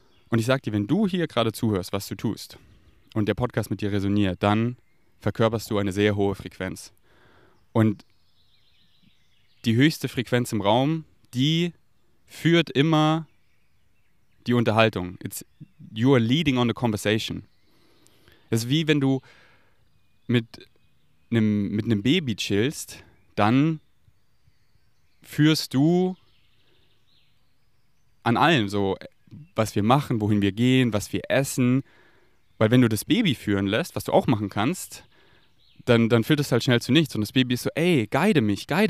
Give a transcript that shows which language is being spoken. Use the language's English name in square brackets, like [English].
[German] Und ich sage dir, wenn du hier gerade zuhörst, was du tust und der Podcast mit dir resoniert, dann verkörperst du eine sehr hohe Frequenz. Und die höchste Frequenz im Raum, die führt immer die Unterhaltung. [English] It's, you are leading on the conversation. [German] Das ist wie wenn du mit einem Baby chillst, dann führst du an allem, so was wir machen, wohin wir gehen, was wir essen. Weil wenn du das Baby führen lässt, was du auch machen kannst, dann führt es halt schnell zu nichts. Und das Baby ist so, ey, guide mich.